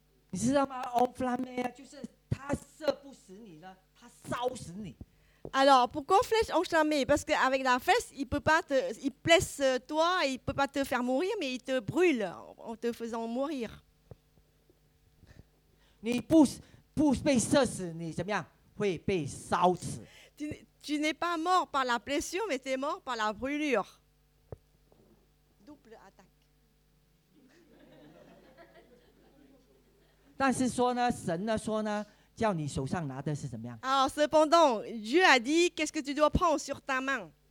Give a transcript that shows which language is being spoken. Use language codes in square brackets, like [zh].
[fr] Tu sais, enflammé, [zh] 就是它射不死你了，它烧死你。 [fr] Alors, pourquoi flèche enflammée? Parce qu'avec la flèche, il blesse toi, il ne peut pas te faire mourir, mais il te brûle en te faisant mourir. Tu n'es pas mort par la blessure, mais tu es mort par la brûlure. Double attaque. [zh] 但是说呢，神呢说呢，叫你手上拿的是怎么样？ [fr] Alors, cependant, Dieu a dit, qu'est-ce que tu dois prendre sur ta main?